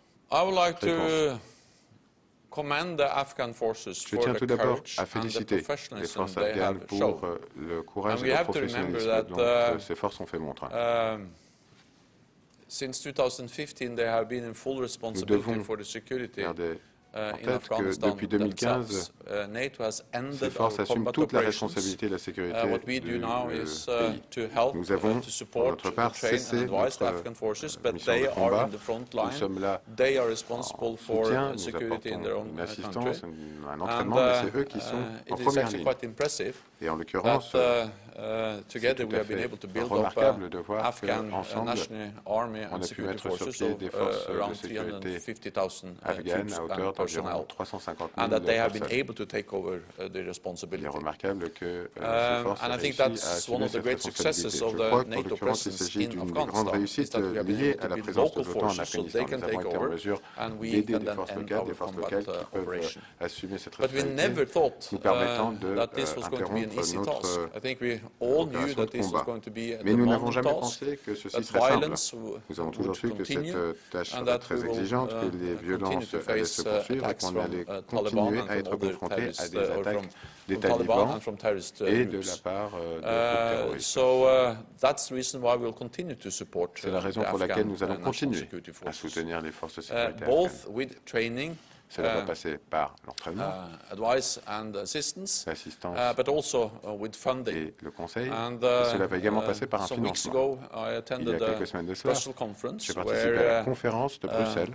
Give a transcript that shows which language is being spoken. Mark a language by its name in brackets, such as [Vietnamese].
[English] I would like to commend the Afghan forces for the courage and the professionalism they have shown. And we have to remember that [French] ces forces ont fait montre. [English] Since 2015, they have been in full responsibility for the security. [French] En tête que depuis 2015, ces forces assument toute la responsabilité de la sécurité du pays. Nous avons, pour notre part, cessé notre mission de combat. Nous sommes là en soutien, nous apportons une assistance, un entraînement, mais c'est eux qui sont en première ligne. Et en l'occurrence, [English] together we have been able to build up Afghan National Army and security forces of around 350,000 troops and personnel, and that they have been able to take over the responsibility. And I think that's one of the great successes of the NATO presence in Afghanistan, is that we have been able to build local forces so they can take over, and we can then end our combat operation. But we never thought that this was going to be an easy task. I think we all knew that this was going to be a [French] mais nous n'avons [English] task, [French] jamais pensé que ceci serait simple. Nous avons toujours su que cette tâche serait très exigeante, que les violences allaient se poursuivre et qu'on allait continuer à être confronté à des attaques des talibans et de la part de terroristes. [English] That's the reason why we'll continue to support [French] c'est la raison pour laquelle nous allons continuer à soutenir les forces de sécurité afghanes. Cela va passer par l'entraînement, [English] advice and assistance, [French] l'assistance [English] but also, with funding. [French] Et le conseil. Et cela va également passer par un financement. [English] Ago, [French] il y a quelques semaines de cela, j'ai participé à la conférence de Bruxelles.